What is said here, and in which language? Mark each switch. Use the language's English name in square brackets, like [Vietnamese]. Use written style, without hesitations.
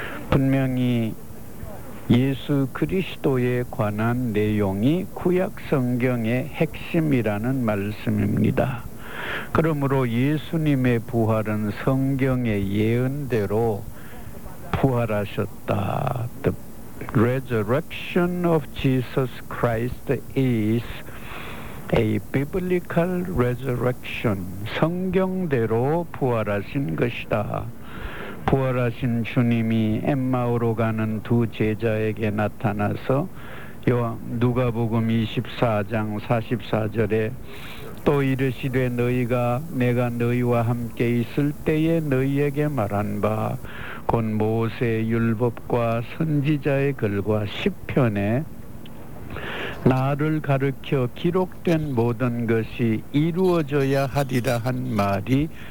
[Korean] 분명히 예수 그리스도에 관한 내용이 구약 성경의 핵심이라는 말씀입니다. 그러므로 예수님의 부활은 성경의 예언대로 부활하셨다. [English] The resurrection of Jesus Christ is a biblical resurrection. [Korean] 성경대로 부활하신 것이다. 부활하신 주님이 엠마오로 가는 두 제자에게 나타나서 누가복음 24장 44절에 또 이르시되 너희가 내가 너희와 함께 있을 때에 너희에게 말한 바 곧 모세 율법과 선지자의 글과 시편에 나를 가르켜 기록된 모든 것이 이루어져야 하리라 한 말이